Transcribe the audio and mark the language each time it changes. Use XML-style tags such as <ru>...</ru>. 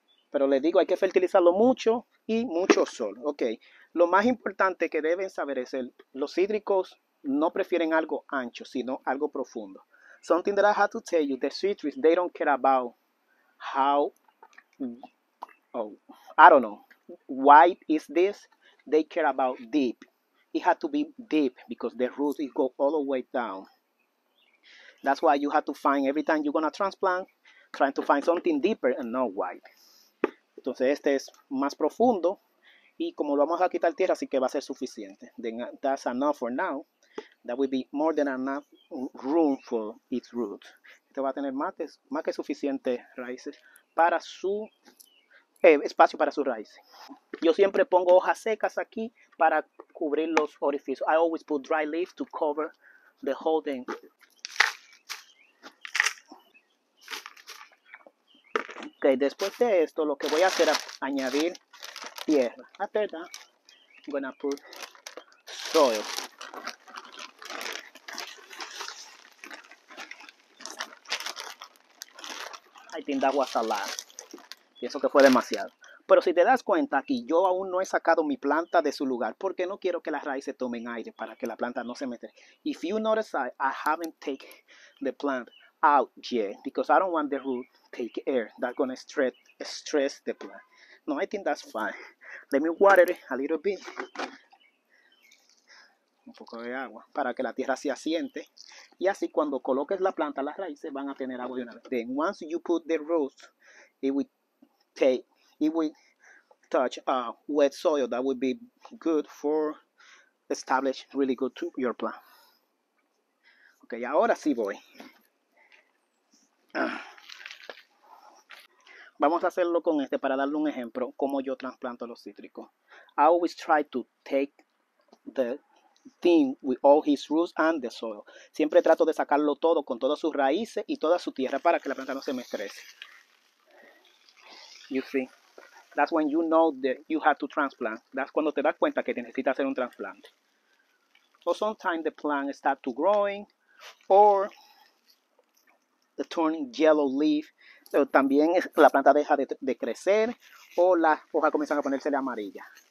<es>Pero les digo, hay que fertilizarlo mucho y mucho sol. Ok, lo más importante que deben saber es que los cítricos no prefieren algo ancho, sino algo profundo.</es> <en>Something that I have to tell you, the citrus, they don't care about how, oh, I don't know, why is this? They care about deep. It had to be deep because the roots, it go all the way down. That's why you have to find, every time you're going to transplant, trying to find something deeper and not wide.</en> <es>Entonces, este es más profundo. Y como lo vamos a quitar tierra, así que va a ser suficiente.</es> <en>Then that's enough for now. That would be more than enough room for its roots.</en> <es>Este va a tener más que suficiente raíces para su espacio para sus raíces. Yo siempre pongo hojas secas aquí para cubrir los orificios.</es> <en>I always put dry leaves to cover the whole thing.</en> <es>Okay, después de esto, lo que voy a hacer es añadir tierra.</es> <en>After that, I'm gonna put soil. I think that was a lot.</en> <es>Pienso que fue demasiado. Pero si te das cuenta aquí, yo aún no he sacado mi planta de su lugar porque no quiero que las raíces tomen aire para que la planta no se meta.</es> <en>If you notice, I haven't taken the plant out yet because I don't want the root to take air. That's going to stress the plant. No, I think that's fine. Let me water it a little bit.</en> <es>Un poco de agua para que la tierra se asiente. Y así cuando coloques la planta, las raíces van a tener agua de una vez.</es> <en>Then once you put the roots, it will touch wet soil. That would be good for establish really good to your plant.</en> <es>Ok, ahora sí voy. Vamos a hacerlo con este para darle un ejemplo cómo yo trasplanto los cítricos.</es> <en>I always try to take the thing with all his roots and the soil.</en> <es>Siempre trato de sacarlo todo con todas sus raíces y toda su tierra para que la planta no se me estrese.</es> <en>You see? That's when you know that you have to transplant. That's</en> <es>cuando te das cuenta que necesitas hacer un trasplante.</es> <en>Or sometimes the plant starts to growing or the turning yellow leaf.</en> <es>También la planta deja de crecer o las hojas comienzan a ponerse amarillas.</es>